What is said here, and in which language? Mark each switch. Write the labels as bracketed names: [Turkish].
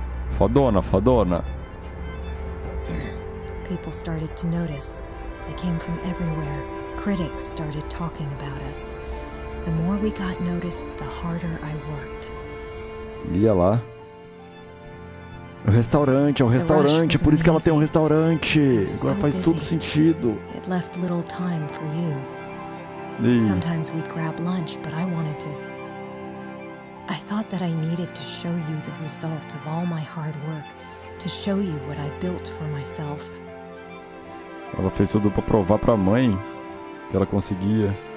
[Portuguese] Fodona, fodona. [English] People started to notice. They came from everywhere. Critics started talking about us. The more we got noticed, the harder I worked. [Portuguese] Ia lá. É um restaurante, por isso que ela tem um restaurante. Agora faz tudo sentido. [English] It left little time for you. Sometimes we'd grab lunch, but I wanted to. I thought that I needed to show you the result of all my hard work, to show you what I built for myself. [Portuguese] Ela fez tudo para provar para a mãe que ela conseguia.